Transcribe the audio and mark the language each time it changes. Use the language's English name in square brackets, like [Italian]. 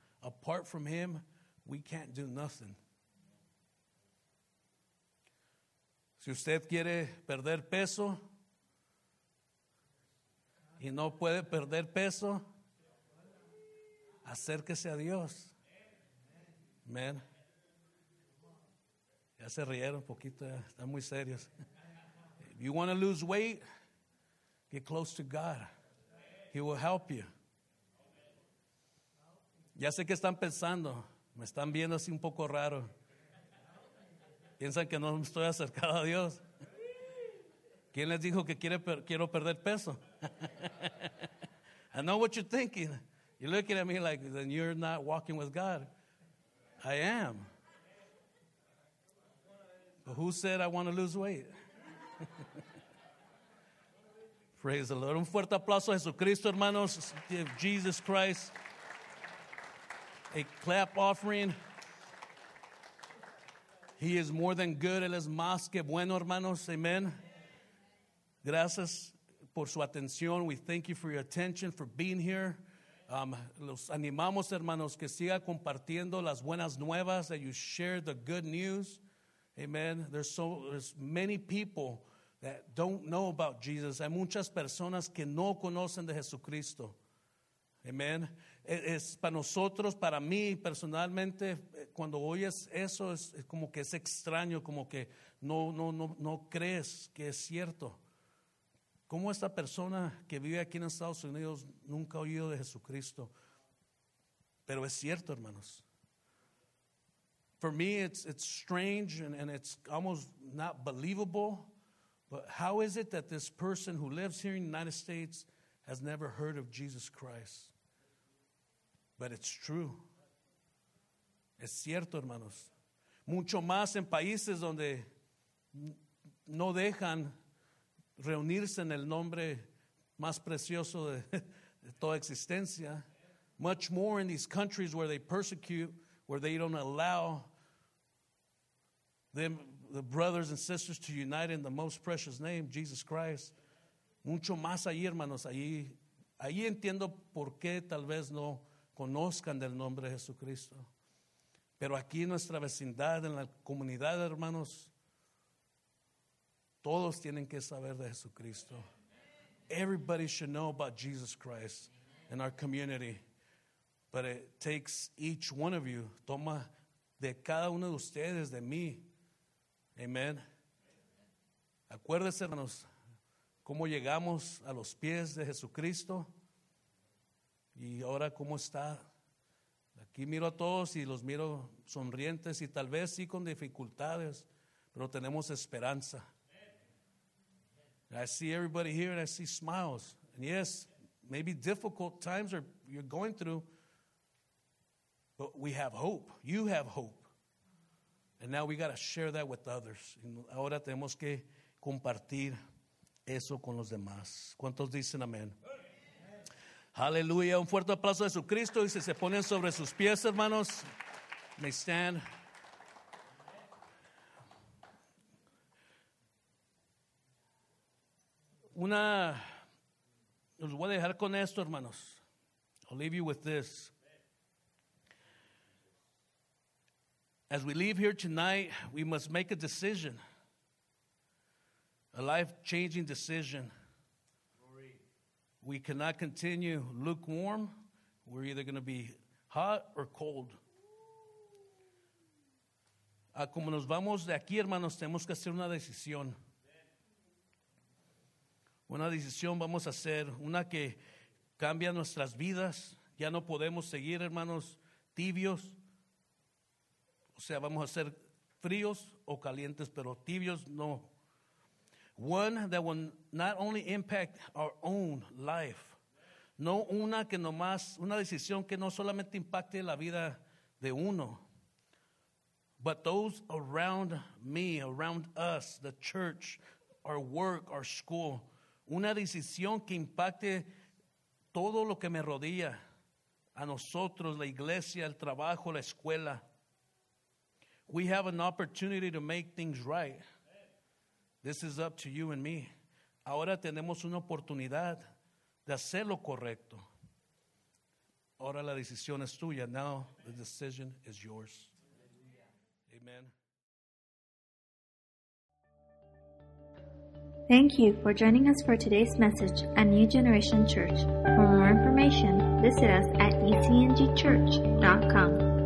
[English] Apart from him, we can't do nothing. [Spanish] Si usted quiere perder peso y no puede perder peso, acérquese a Dios. Amén. Ya se rieron un poquito, están muy serios. [English] If you want to lose weight, get close to God. He will help you. [Spanish] Ya sé que están pensando, me están viendo así un poco raro. ¿Piensan que no me estoy acercado a Dios? ¿Quién les dijo que quiero perder peso? [English] I know what you're thinking. You're looking at me like, then you're not walking with God. I am. But who said I want to lose weight? Praise the Lord. [Spanish] Un fuerte aplauso a Jesucristo, hermanos. [English] Give Jesus Christ a clap offering. He is more than good. [Spanish] Él es más que bueno, hermanos. Amen. Gracias por su atención. [English] We thank you for your attention, for being here. [Spanish] Los animamos, hermanos, que siga compartiendo las buenas nuevas, [English] that you share the good news. Amen. There's many people that don't know about Jesus. [Spanish] Hay muchas personas que no conocen de Jesucristo. Amen. Es para nosotros, para mí personalmente, cuando oyes eso, es como que es extraño, como que no crees que es cierto. ¿Cómo esta persona que vive aquí en Estados Unidos nunca ha oído de Jesucristo? Pero es cierto, hermanos. [English] For me, it's strange and it's almost not believable. But how is it that this person who lives here in the United States has never heard of Jesus Christ? But it's true. [Spanish] Es cierto, hermanos. Mucho más en países donde no dejan reunirse en el nombre más precioso de toda existencia. [English] Much more in these countries where they persecute, where they don't allow them, the brothers and sisters, to unite in the most precious name, Jesus Christ. [Spanish] Mucho más ahí, hermanos. Ahí entiendo por qué tal vez no conozcan del nombre de Jesucristo. Pero aquí en nuestra vecindad, en la comunidad, hermanos, todos tienen que saber de Jesucristo. [English] Everybody should know about Jesus Christ in our community. But it takes each one of you, [Spanish] toma de cada uno de ustedes, de mí. Amen. Acuérdense, hermanos, cómo llegamos a los pies de Jesucristo. Y ahora, ¿cómo está? Aquí miro a todos y los miro sonrientes y tal vez sí con dificultades, pero tenemos esperanza. [English] I see everybody here and I see smiles. And yes, maybe difficult times you're going through, but we have hope. You have hope. And now we got to share that with others. [Spanish] Y ahora tenemos que compartir eso con los demás. ¿Cuántos dicen amén? Hallelujah. Un fuerte aplauso a Jesucristo. Y si se ponen sobre sus pies, hermanos, [English] may stand. [Spanish] Los voy a dejar con esto, hermanos. [English] I'll leave you with this. As we leave here tonight, we must make a decision. A life-changing decision. We cannot continue lukewarm. We're either going to be hot or cold. [Spanish] Como nos vamos de aquí, hermanos, tenemos que hacer una decisión. una decisión vamos a hacer, una que cambia nuestras vidas. Ya no podemos seguir, hermanos, tibios. O sea, vamos a ser fríos o calientes, pero tibios no. [English] One that will not only impact our own life. [Spanish] No una que nomás, una decisión que no solamente impacte la vida de uno. [English] But those around me, around us, the church, our work, our school. [Spanish] Una decisión que impacte todo lo que me rodea. A nosotros, la iglesia, el trabajo, la escuela. [English] We have an opportunity to make things right. This is up to you and me. [Spanish] Ahora tenemos una oportunidad de hacer lo correcto. Ahora la decisión es tuya. [English] Now the decision is yours. Amen. Thank you for joining us for today's message at New Generation Church. For more information, visit us at ecngchurch.com.